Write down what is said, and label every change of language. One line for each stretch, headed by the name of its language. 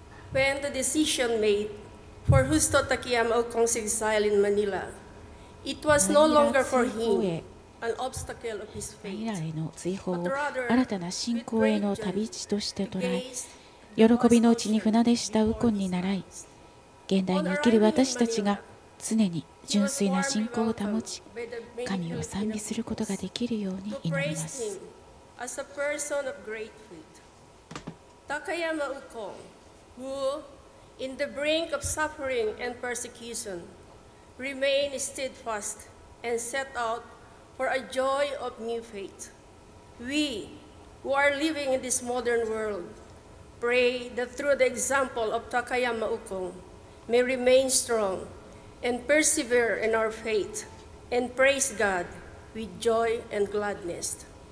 English: When the decision made for Husto Takayama Okon's exile in Manila, it was no longer for him.
Japanese: マニラへの追放を新たな信仰への旅路として捉え、喜びのうちに船出したウコンに倣い、現代に生きる私たちが常に純粋な信仰を保ち、神を賛美することができるように祈ります。
English: タカヤマウコン、who in the brink of suffering and persecution remained steadfast and set outFor a joy of new faith, we who are living in this modern world pray that through the example of Takayama Okon may remain strong and persevere in our faith and praise God with joy and gladness.